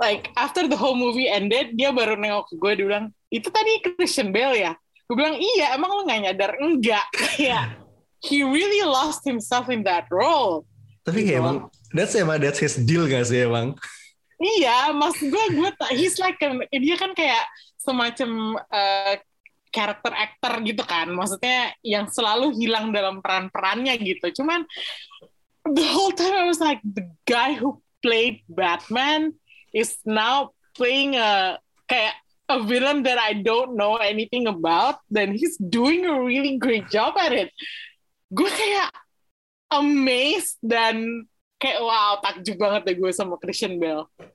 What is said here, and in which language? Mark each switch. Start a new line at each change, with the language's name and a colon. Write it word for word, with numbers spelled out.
English: Like after the whole movie ended,
Indonesian: dia baru nengok gue, dia bilang, itu tadi Christian Bale ya? Gue bilang, iya, emang lo gak nyadar? Enggak. Iya.
English: He really lost himself in that role.
Indonesian: Tapi kayak emang, that's, emang,
English: that's his deal
Indonesian: gak sih emang? Iya, maksud gue, gue tak,
English: he's like,
Indonesian: dia kan kayak semacam... Uh, karakter aktor gitu kan, maksudnya yang selalu hilang dalam peran-perannya gitu.
English: Cuman the whole time I was like, the guy who played Batman is now playing a kayak a villain that I don't know anything about, then he's doing a really great job at it.
Indonesian: Gue kayak amazed dan kayak wow, takjub banget deh gue sama Christian Bale.